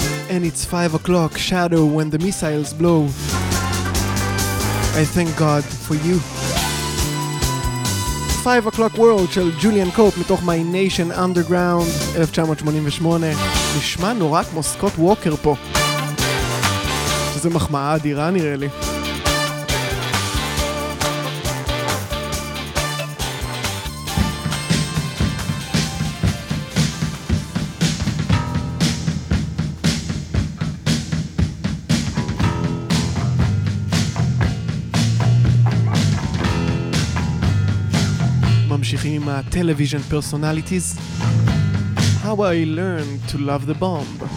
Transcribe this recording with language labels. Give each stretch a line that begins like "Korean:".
English: And it's 5 o'clock shadow when the missiles blow. I thank God for you.
Hebrew: 5 o'clock world של ג'וליאן קופ מתוך My Nation Underground 1988. נשמע נורא כמו סקוט ווקר פה. שזה מחמאה אדירה נראה לי. עם הטלוויז'ן פרסונליטיז.
English: How I learned to love the bomb.